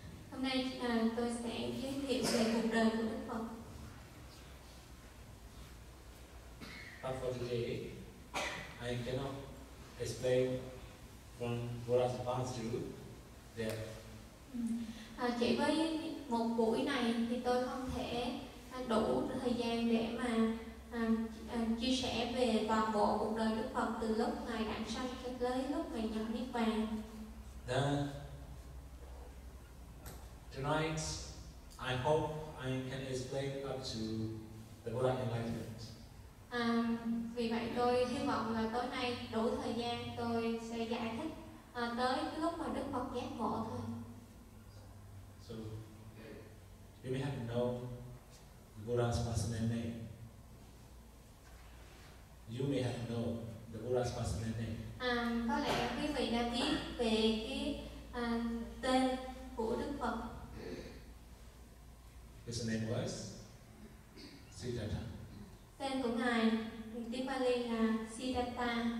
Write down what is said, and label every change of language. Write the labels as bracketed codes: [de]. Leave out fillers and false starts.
[vi] Hôm nay tôi sẽ giới thiệu về cuộc đời của Đức Phật. [en] But for today, I cannot explain from Buddha's point of view that. [vi] Chỉ với một buổi này thì tôi không thể đủ thời gian để mà chia sẻ về toàn bộ cuộc đời Đức Phật từ lúc ngài đản sanh cho tới lúc ngài nhập niết bàn. [en] Tonight, I hope I can explain up to the Buddha enlightenment. [vi] Vì vậy tôi hy vọng là tối nay đủ thời gian tôi sẽ giải thích tới lúc mà Đức Phật giác ngộ thôi. [en] So, you may have known the Buddha's personal name. You may have known the Buddha's personal name. [vi] Có lẽ quý vị đã biết về cái tên của Đức Phật. [en] His name was Siddhartha. [vi] Tên của ngài tiếng Pali là Siddhartha.